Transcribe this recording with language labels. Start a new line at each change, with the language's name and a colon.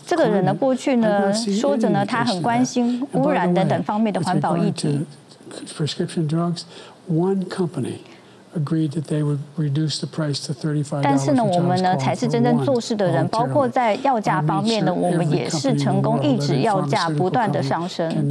Chinese: 这个人的过去呢，说着呢，他很关心污染等等方面的环保议题。
English: Prescription drugs, one company agreed that they would reduce the price to $35.
Chinese: 但是呢，我们呢才是真正做事的人，包括在药价方面呢，我们也是成功抑制药价不断的上升。